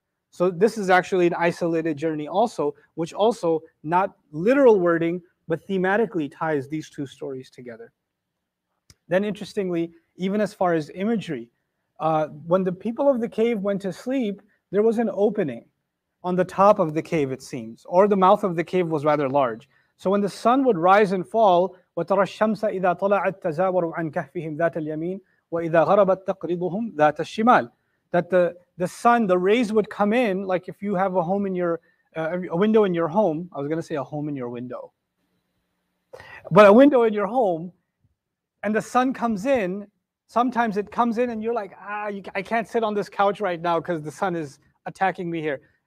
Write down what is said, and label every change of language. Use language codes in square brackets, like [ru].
[en] So this is actually an isolated journey also, which also, not literal wording, but thematically ties these two stories together. Then interestingly, even as far as imagery, when the people of the cave went to sleep, there was an opening on the top of the cave, it seems, or the mouth of the cave was rather large. So when the sun would rise and fall, [ar] وَتَرَى الشَّمْسَ إِذَا طَلَعَتْ تَزَاوَرُ عَنْ كَهْفِهِمْ ذَاتَ الْيَمِينَ وَإِذَا غَرَبَتْ تَقْرِضُهُمْ ذَاتَ الشِّمَالِ. [en] That the sun, the rays would come in, like if you have a home in your a window in your home. I was going to say a home in your window, but a window in your home, and the sun comes in. Sometimes it comes in, and you're like, I can't sit on this couch right now because the sun is attacking me here.